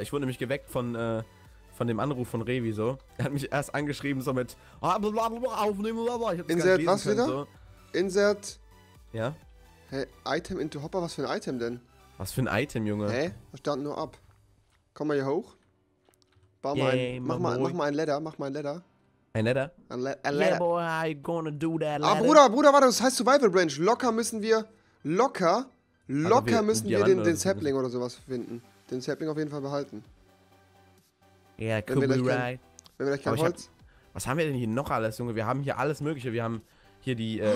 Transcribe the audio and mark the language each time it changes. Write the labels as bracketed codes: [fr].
[de] Ich wurde nämlich geweckt von dem Anruf von Revi, so. Er hat mich erst angeschrieben, so mit... Aufnehmen, blablabla. Ich hab's Insert, was wieder? So. Insert... Ja? Hey, [en] Item into Hopper, [de] was für ein Item denn? Was für ein Item, Junge? Hä? Da stand nur ab. Komm mal hier hoch. Bau mal mach mal ein Ladder. Ein Ladder? Ein Ladder. [en] Yeah, boy, how you gonna do that ladder? [de] Ah, Bruder, warte, das heißt Survival Branch. Locker müssen wir den Sapling oder sowas finden. Den Sapling auf jeden Fall behalten. [en] Ja, yeah, could be right. [de] Wenn wir gleich kein Holz. Was haben wir denn hier noch alles, Junge? Wir haben hier alles Mögliche. Wir haben hier die